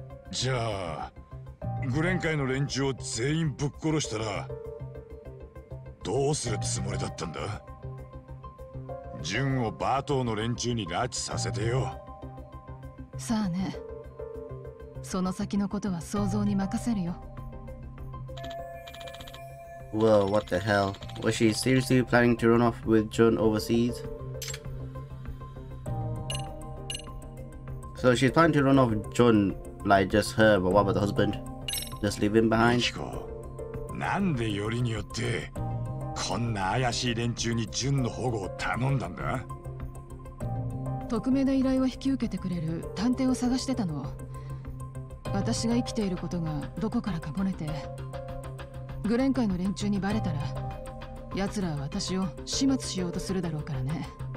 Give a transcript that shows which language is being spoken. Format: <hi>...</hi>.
<ja>じゃあグレン会の連中を全員ぶっ殺したらどうするつもりだったんだ。ジュンをバートーの連中に拉致させてよ。さあね、その先のことは想像に任せるよ。</ja> <en>Well, what the hell? Was she seriously planning to run off with Jun overseas? So she's planning to run off with Jun, like just her, but what about the husband? Just leave him behind.</en> <ja>ミキコ、なんでよりによってこんな怪しい連中にジュンの保護を頼んだんだ。匿名で依頼を引き受けてくれる探偵を探してたの。私が生きていることがどこからか漏れて、グレン会の連中にバレたら奴らは私を始末しようとするだろうからね。</ja>